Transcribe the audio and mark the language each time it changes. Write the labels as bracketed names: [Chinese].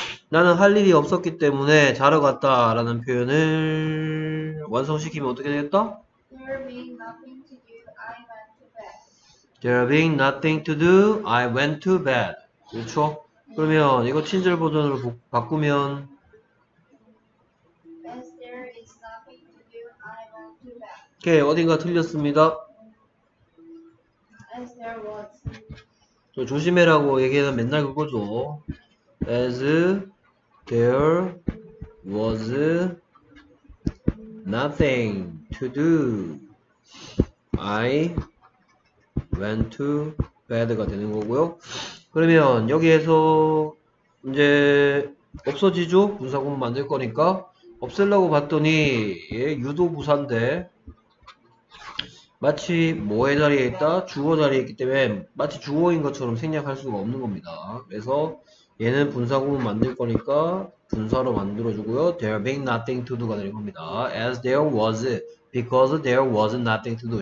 [Korean] 나는 할 일이 없었기 때문에 자러 갔다라는 표현을 완성시키면 어떻게 되겠다? [English] There being nothing to do, I There being nothing to do, I went to bed. [Korean] 그렇죠? 그러면 이거 친절 버전으로 바꾸면, [English] As there is nothing to do, I went to bed. [Korean] 오케이, 어딘가 틀렸습니다. [English] As there was. [Korean] 조심해라고 얘기하면 맨날 그거죠. [English] As there was nothing to do, I went to bed [Korean] 가 되는 거고요. 그러면 여기에서 이제 없어지죠? 분사구문 만들 거니까. 없애려고 봤더니 얘 유도 부사인데 마치 뭐의 자리에 있다? 주어 자리에 있기 때문에 마치 주어인 것처럼 생략할 수가 없는 겁니다. 그래서 얘는 분사구문 만들 거니까 분사로 만들어주고요. [English] There being nothing to do [Korean] 가 되는 겁니다. [English] As there was, because there was nothing to do.